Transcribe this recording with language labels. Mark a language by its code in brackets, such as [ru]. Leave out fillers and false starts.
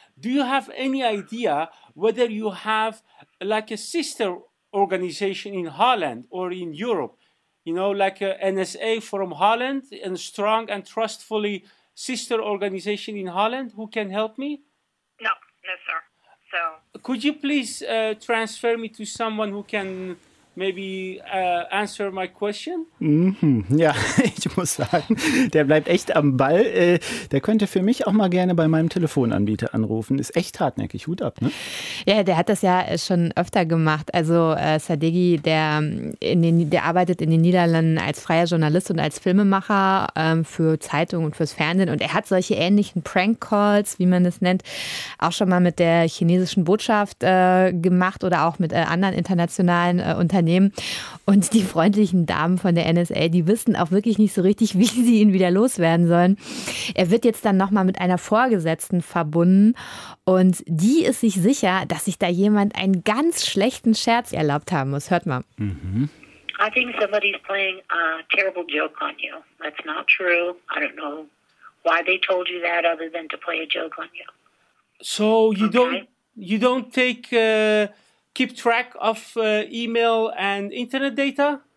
[en] Do you have any idea whether you have like a sister organization in Holland or in Europe, you know, like a NSA from Holland and a strong and trustfully sister organization in Holland who can help me? No, sir. So could you please transfer me to someone who can maybe answer my question? Mm-hmm. [de] Ja, ich muss sagen, der bleibt echt am Ball. Der könnte für mich auch mal gerne bei meinem Telefonanbieter anrufen. Ist echt hartnäckig. Hut ab, ne? Ja, der hat das ja schon öfter gemacht. Also Sadeghi, der arbeitet in den Niederlanden als freier Journalist und als Filmemacher für Zeitungen und fürs Fernsehen. Und er hat solche ähnlichen Prank-Calls, wie man das nennt, auch schon mal mit der chinesischen Botschaft gemacht oder auch mit anderen internationalen Unternehmen. Und die freundlichen Damen von der NSA, die wissen auch wirklich nicht so richtig, wie sie ihn wieder loswerden sollen. Er wird jetzt dann nochmal mit einer Vorgesetzten verbunden und die ist sich sicher, dass sich da jemand einen ganz schlechten Scherz erlaubt haben muss. Hört mal. [en] I think somebody's playing a terrible joke on you. That's not true. I don't know why they told you that other than to play a joke on you. So you don't take keep track of email and internet data?